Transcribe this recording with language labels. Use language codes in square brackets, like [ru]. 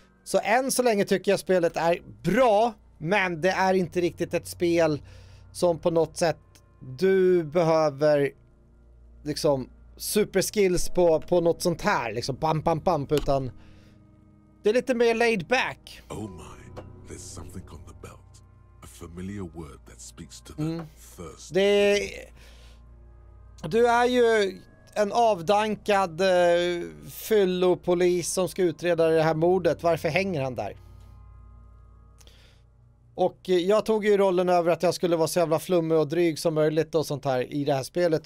[sv] Så än så länge tycker jag spelet är bra, men det är inte riktigt ett spel som på något sätt du behöver liksom superskills på något sånt här liksom bam bam bam, utan det är lite mer laid back. [en] Oh my, there's something on the belt. A familiar word that speaks to them first. [sv] Det är, du är ju en avdankad fyllopolis som ska utreda det här mordet. Varför hänger han där? Och jag tog ju rollen över att jag skulle vara så jävla flummig och dryg som möjligt och sånt här i det här spelet.